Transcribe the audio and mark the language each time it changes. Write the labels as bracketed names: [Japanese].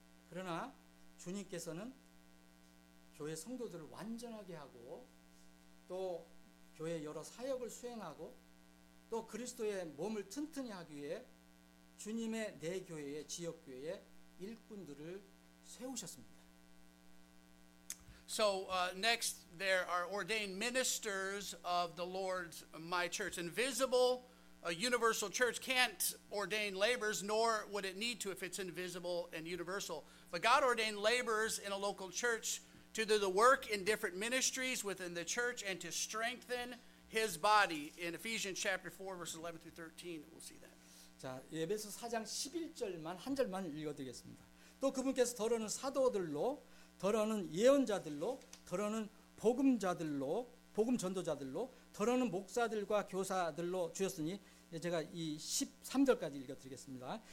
[Korean] 그러나 주님께서는 교회 성도들을 완전하게 하고 또 교회 여러 사역을 수행하고 또 그리스도의 몸을 튼튼히 하기 위해 주님의 내 교회의 지역교회에 일꾼들을 세우셨습니다. [English] So next, there are ordained ministers of the Lord's my church. Invisible, a universal church can't ordain laborers, nor would it need to if it's invisible and universal. But God ordained laborers in a local church to do the work in different ministries within the church and to strengthen his body. In Ephesians chapter 4, verses 11 through 13, we'll see that. [Korean] 자, 에베소 4장 11절만 한 절만 읽어드리겠습니다. 또 그분께서 더러는 사도들로 더러는 예언자들로 더러는 복음자들로 복음 전도자들로 더러는 목사들과 교사들로 주셨으니 제가 이 13절까지 읽어드리겠습니다.